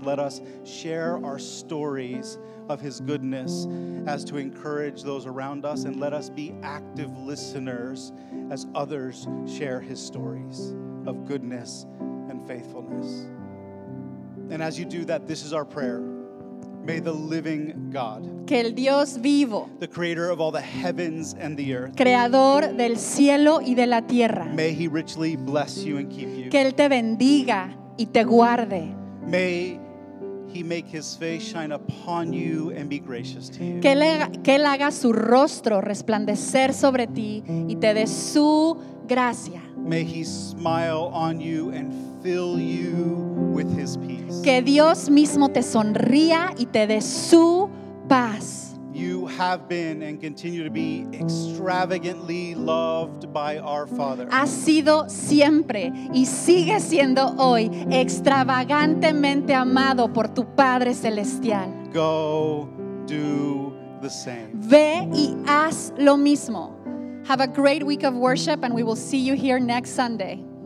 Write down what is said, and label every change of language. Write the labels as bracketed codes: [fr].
[en] Let us share our stories of His goodness as to encourage those around us, and let us be active listeners as others share His stories of goodness and faithfulness. And as you do that, this is our prayer. May the living God, [es] que el Dios vivo, [en] the creator of all the heavens and the earth, [es] creador del cielo y de la tierra, [en] may He richly bless you and keep you. [es] Que él te bendiga y te guarde. [en] May He make His face shine upon you and be gracious to you. [es] Que él haga su rostro resplandecer sobre ti y te dé su gracia. [en] May He smile on you and fill you with His peace. [es] Que Dios mismo te sonría y te dé su paz. [en] You have been and continue to be extravagantly loved by our Father. [es] Has sido siempre y sigue siendo hoy extravagantemente amado por tu Padre Celestial. [en] Go do the same. [es] Ve y haz lo mismo. [en] Have a great week of worship, and we will see you here next Sunday.